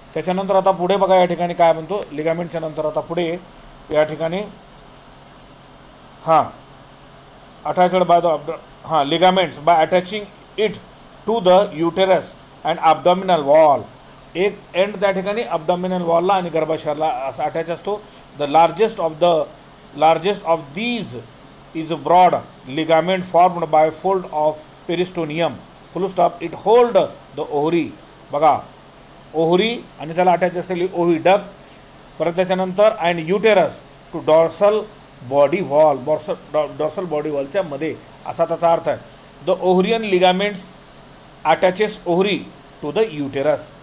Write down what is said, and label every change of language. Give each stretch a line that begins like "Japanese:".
Marathi: त्याच्यानंतर आता पुढे बघा या ठिकाणी काय म्हणतो, लिगामेंटच्या नंतर आता पुढे या ठिकाणी, हां
English: Attached by the हां ligaments by attaching it to the uterus and abdominal wall.
Marathi: एक एंड त्या ठिकाणी ॲब्डॉमिनल वॉलला आणि गर्भाशयाला असा अटॅच असतो.
English: The largest of these is a broad ligament formed by fold of peritoneum full stop. It hold the ovary.
Marathi: बघा, ओहरी आणि त्याला अटॅच असलेली ओविडक, परत त्याच्यानंतर
English: and uterus to dorsal body wall,
Marathi: dorsal body वॉलच्या मध्ये असा त्याचा अर्थ आहे.
English: The ovarian ligaments attaches ovary to the uterus.